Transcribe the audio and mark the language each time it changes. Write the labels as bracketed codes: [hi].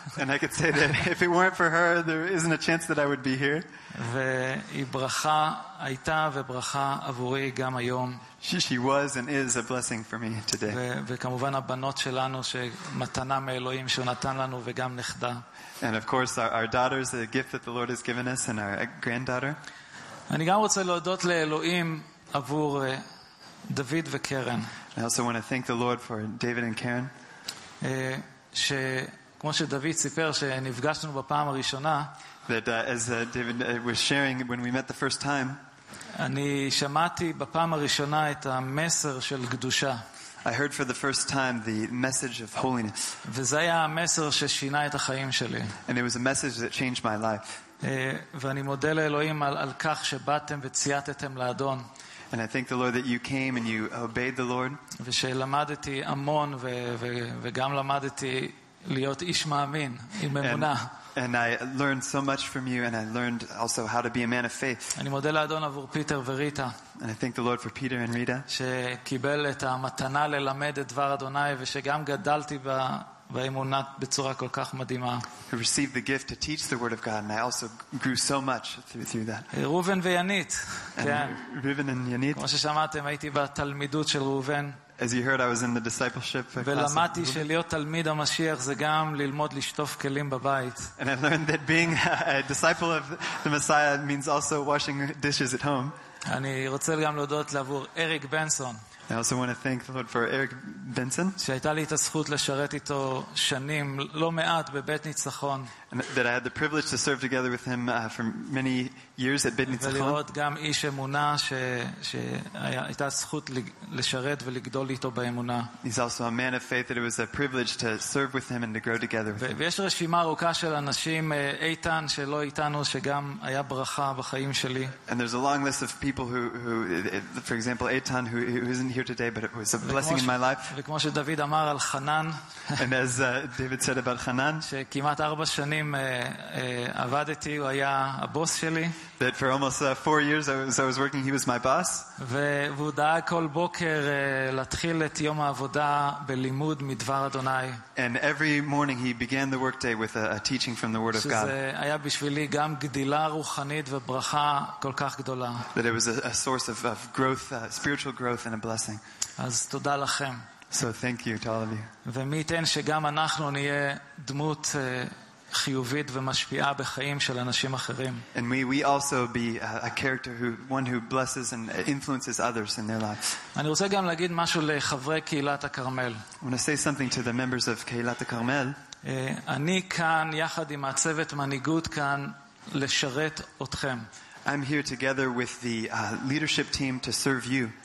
[en] And I could say that if it weren't for her, there isn't a chance that I would be here. [he] והיא ברכה הייתה וברכה עבורי גם היום. [en] She was and is a blessing for me today. [he] וכמובן הבנות שלנו שמתנה מאלוהים שהוא נתן לנו וגם נכדה. [en] And of course our daughters, the gift that the Lord has given us, and our granddaughter. [he] אני גם רוצה להודות לאלוהים עבור דוד וקרן. [en] I also want to thank the Lord for David and Karen. [he] שכמו שדוד סיפר שנפגשנו בפעם הראשונה, [en] that as David was sharing when we met the first time, [he] אני שמעתי בפעם הראשונה את המסר של קדושה. [en] I heard for the first time the message of holiness. [he] וזה היה המסר ששינה את החיים שלי. [en] And it was a message that changed my life. [he] ואני מודה לאלוהים על כך שבאתם וציאתתם לאדון. [en] And I thank the Lord that you came and you obeyed the Lord. [he] ושלמדתי המון וגם למדתי להיות איש מאמין, עם אמונה. [en] And I learned so much from you, and I learned also how to be a man of faith. [he] אני מודה לאדון עבור פיטר וריטה. [en] And I thank the Lord for Peter and Rita. [he] שקיבל את המתנה ללמד את דבר אדוני ושגם גדלתי באמונת בצורה כל כך מדהימה. [en] I received the gift to teach the word of God, and I also grew so much through that. [he] ראובן וינית. ראובן וינית. כמו ששמעתם, הייתי בתלמידות של ראובן. [en] As you heard, I was in the discipleship class. [he] ולמדתי שלהיות תלמיד המשיח זה גם ללמוד לשטוף כלים בבית. [en] And I learned that being a disciple of the Messiah means also washing dishes at home. [he] אני רוצה גם להודות לעבור אריק בנסון. [en] I also want to thank the Lord for Eric Benson. [he] שהייתה לי את הזכות לשרת איתו שנים, לא מעט, בבית ניצחון. [en] That I had the privilege to serve together with him for many years at בית ניצחון. [he] ולראות גם איש אמונה שהייתה זכות לשרת ולגדול איתו באמונה. [en] He's also a man of faith that it was a privilege to serve with him and to grow together with him. [he] ויש רשימה ארוכה של אנשים, איתן שלא איתנו, שגם היה ברכה בחיים שלי. [en] And there's a long list of people who for example, איתן, who isn't here today but it was a blessing in my life. [he] וכמו שדוד אמר על חנן, [en] and as David said about חנן, [he] שכמעט 4 שנים עבדתי, הוא היה הבוס שלי. [en] That for almost 4 years I was working, he was my boss. [he] והוא דאג כל בוקר להתחיל את יום העבודה בלימוד מדבר אדוני. [en] And every morning he began the work day with a teaching from the word of God. [he] שזה היה בשבילי גם גדילה רוחנית וברכה כל כך גדולה. [en] That it was a source of growth, spiritual growth and a blessing. [he] אז תודה לכם. [en] So thank you to all of you. [he] ומי ייתן שגם אנחנו נהיה דמות חיובית ומשפיעה בחיים של אנשים אחרים. [en] And we also be a character one who blesses and influences others in their lives. [he] אני רוצה גם להגיד משהו לחברי קהילת הכרמל. [en] I want to say something to the members of קהילת הכרמל. [he] אני כאן יחד עם הצוות מנהיגות כאן לשרת אתכם. [en] I'm here together with the leadership team to serve you.